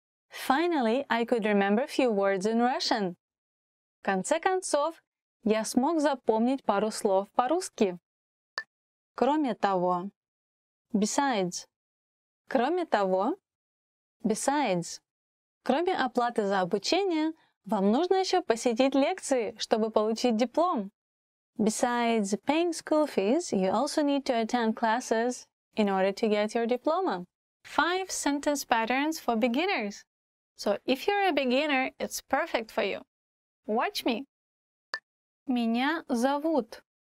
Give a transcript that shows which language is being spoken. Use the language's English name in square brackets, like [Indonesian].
[English] Finally, I could remember a few words in Russian. [Russian] В конце концов, я смог запомнить пару слов по-русски. Кроме того. [English] Besides. [Russian] Кроме того. Besides. Кроме оплаты за обучение, вам нужно еще посетить лекции, чтобы получить диплом. [English] Besides paying school fees, you also need to attend classes in order to get your diploma. 5 sentence patterns for beginners. So if you're a beginner, it's perfect for you. Watch me. [Russian] Меня зовут.